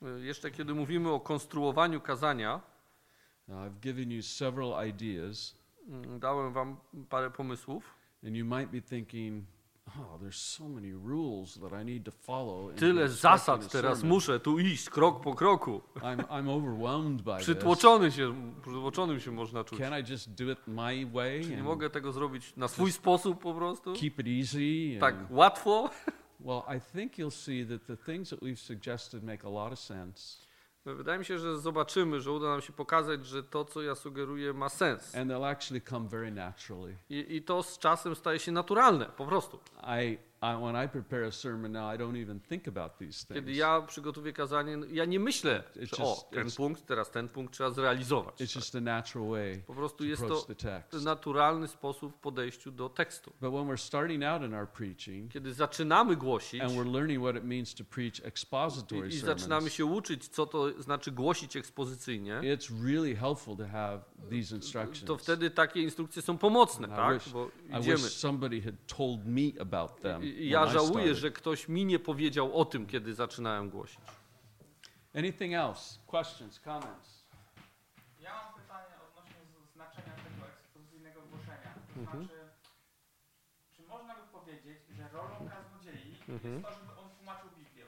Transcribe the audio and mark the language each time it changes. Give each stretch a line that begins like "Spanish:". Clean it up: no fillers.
Polish: Jeszcze kiedy mówimy o konstruowaniu kazania,
English: I've given you several ideas.
Polish: Dałem wam parę pomysłów.
English: And you might be thinking, oh, there's so many rules that I need to follow.
Polish: Tyle zasad teraz muszę tu iść krok po kroku.
English: I'm overwhelmed by this.
Polish: Przytłoczonym się można czuć.
English: Can I just do it my way?
Polish: Czy mogę tego zrobić na swój sposób po prostu?
English: Keep it easy.
Polish: Tak łatwo.
English: Well, I think you'll see that the things that we've suggested make a lot of sense.
Polish: Wydaje mi się, że zobaczymy, że uda nam się pokazać, że to, co ja sugeruję, ma sens.
English: And they'll actually come very naturally.
Polish: I to z czasem staje się naturalne, po prostu.
English: When I prepare a sermon now, I don't even think about these things.
Polish: Kiedy ja przygotowuję kazanie, ja nie myślę, że ten punkt, teraz ten punkt trzeba zrealizować.
English: It's just a natural way to approach the text.
Polish: Po prostu jest to naturalny sposób podejścia do tekstu.
English: But when we're starting out in our preaching,
Polish: kiedy zaczynamy głosić,
English: and we're learning what it means to preach expository
Polish: sermons, i zaczynamy się uczyć, co to znaczy głosić ekspozycyjnie,
English: it's really helpful to have these instructions.
Polish: To wtedy takie instrukcje są pomocne, tak? Bo idziemy.
English: I wish somebody had told me about them.
Polish: Ja żałuję, że ktoś mi nie powiedział o tym, kiedy zaczynałem głosić.
English: Anything else? Questions, comments?
Polish: Ja mam pytanie odnośnie znaczenia tego ekspozycyjnego głoszenia. Czy można by powiedzieć, że rolą kaznodziei jest to, żeby on tłumaczył Biblię?